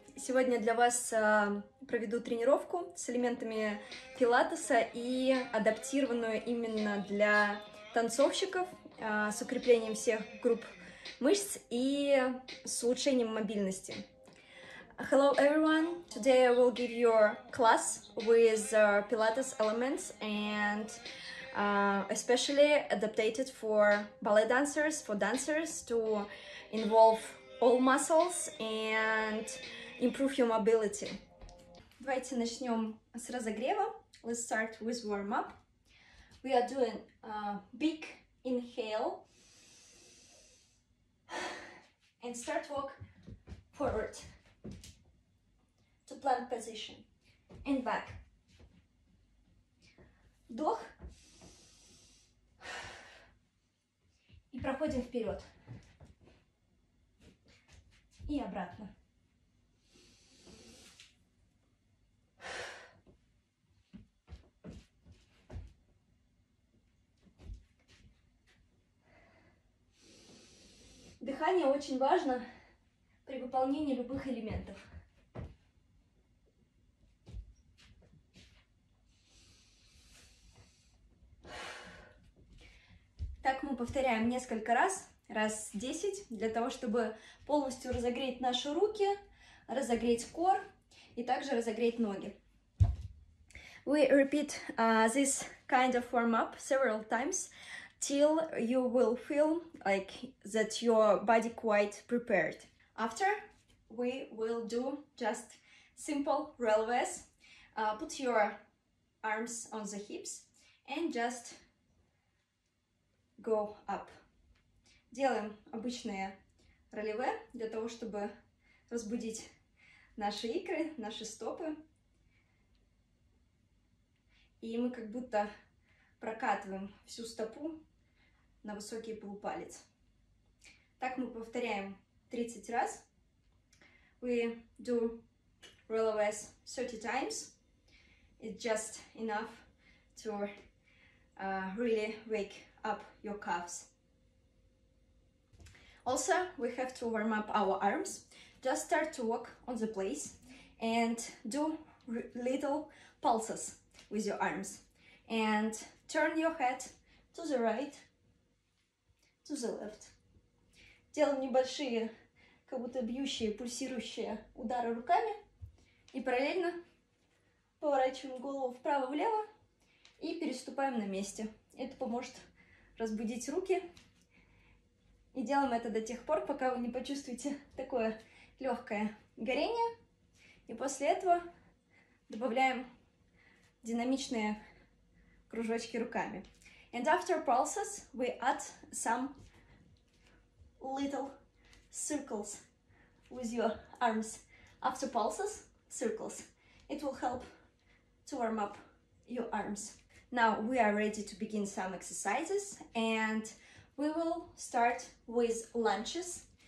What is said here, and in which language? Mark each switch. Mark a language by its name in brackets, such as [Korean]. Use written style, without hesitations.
[Russian] Сегодня для вас проведу тренировку с элементами пилатеса и адаптированную именно для танцовщиков с укреплением всех групп мышц и с улучшением мобильности. [English] Hello everyone! Today I will give you class with pilates elements and especially adapted for ballet dancers, for dancers to involve all muscles and improve your mobility. [Russian] Давайте начнем с разогрева. [English] Let's start with warm up. We are doing a big inhale and start walk forward to plank position and back. [Russian] Вдох. И проходим вперед. И обратно. Дыхание очень важно при выполнении любых элементов. Так мы повторяем несколько раз. Раз 10, для того, чтобы полностью разогреть наши руки, разогреть кор и также разогреть ноги. [English] We repeat this kind of warm-up several times, till you will feel like that your body quite prepared. After, we will do just simple releves. Put your arms on the hips and just go up. [Russian] Делаем обычные ролеве для того, чтобы разбудить наши икры, наши стопы. И мы как будто прокатываем всю стопу на высокий полупалец. Так мы повторяем 30 раз. [English] We do releves 30 times. It's just enough to really wake up your calves. Also, we have to warm up our arms. Just start to walk on the place and do little pulses with your arms. And turn your head to the right, to the left. [Russian] Делаем небольшие, как будто бьющие, пульсирующие удары руками. И параллельно поворачиваем голову вправо-влево и переступаем на месте. Это поможет разбудить руки. И делаем это до тех пор, пока вы не почувствуете такое легкое горение. И после этого добавляем динамичные кружочки руками. [English] And after pulses, we add some little circles with your arms. After pulses, circles. It will help to warm up your arms. Now we are ready to begin some exercises and we will start with lunges.